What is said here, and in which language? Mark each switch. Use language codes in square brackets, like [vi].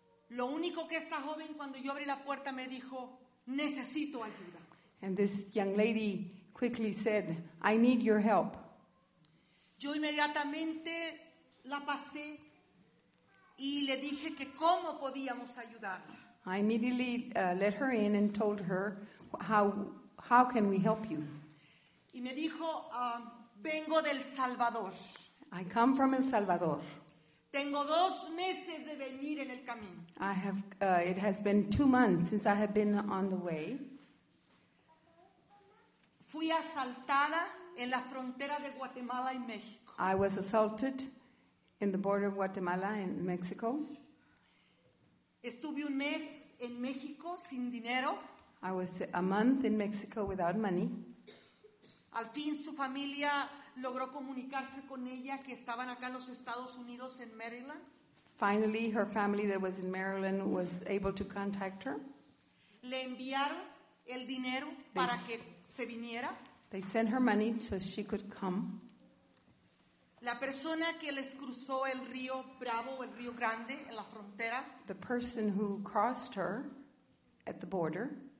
[es] Lo único que esta joven, cuando yo abrí la puerta, me dijo: necesito ayuda. [en] And this young lady quickly said, I need your help. [es] Yo inmediatamente la pasé y le dije que cómo podíamos ayudarla. [en] I immediately let her in and told her, how can we help you? [es] Y me dijo, vengo del Salvador. [en] I come from El Salvador. [es] Tengo 2 meses de venir en el camino. [en] I have. It has been 2 months since I have been on the way. [es] Fui asaltada en la frontera de Guatemala y México. [en] I was assaulted in the border of Guatemala and Mexico. [es] Estuve un mes en México sin dinero. [en] I was a month in Mexico without money. [es] Al fin su familia logró comunicarse con ella, que estaban acá en los Estados Unidos, en Maryland. [en] Finally, her family that was in Maryland was able to contact her. [es] Le enviaron el dinero para que se viniera. [en] They sent her money so she could come. [es] La persona que les cruzó el río Bravo, el río grande, en la frontera. [en] The person who crossed her at the border.